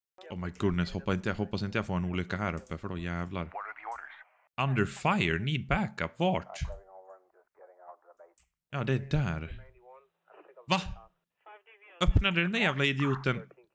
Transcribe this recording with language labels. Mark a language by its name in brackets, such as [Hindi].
[English] Oh my goodness, [Swedish] hoppas inte jag får en olycka här uppe, för då jävlar. [English] Under fire, need backup, vart? [Swedish] Ja, det är där. Va? Öppnade den där jävla idioten?